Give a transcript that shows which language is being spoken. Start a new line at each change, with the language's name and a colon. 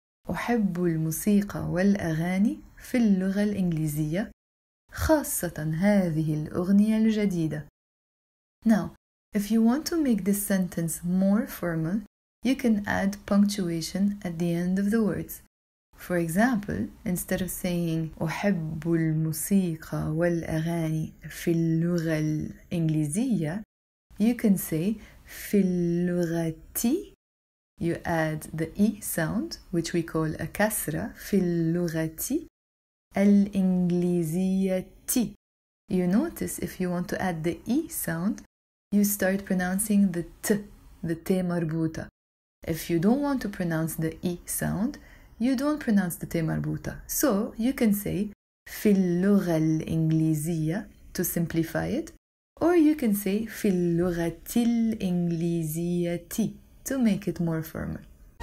Arabic: أحب الموسيقى والأغاني في اللغة الإنجليزية خاصة هذه الأغنية الجديدة.
English: Now, If you want to make this sentence more formal, you can add punctuation at the end of the words. For example, instead of saying
Arabic: أحب الموسيقى والأغاني في اللغة الإنجليزية,
English: you can say
Arabic: في اللغة تي.
English: You add the E sound, which we call a كسرة,
Arabic: في اللغة تي, الإنجليزية تي.
English: You notice if you want to add the E sound, you start pronouncing the T marbuta. If you don't want to pronounce the E sound, you don't pronounce the T marbuta. So, you can say
Arabic: في اللغة الإنجليزية
English: to simplify it, or you can say في اللغة الإنجليزية to make it more formal.